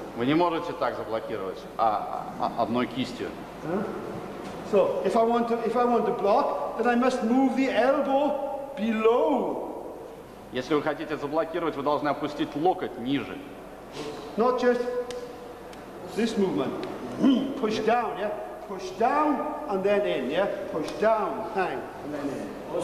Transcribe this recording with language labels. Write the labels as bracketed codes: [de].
[ru] Вы не можете так заблокировать одной кистью. [en] So, if I want to block, then I must move the elbow below. [ru] Если вы хотите заблокировать, вы должны опустить локоть ниже. [en] Not just this movement. Push down, yeah? Push down and then in, yeah? Push down, hang, and then in.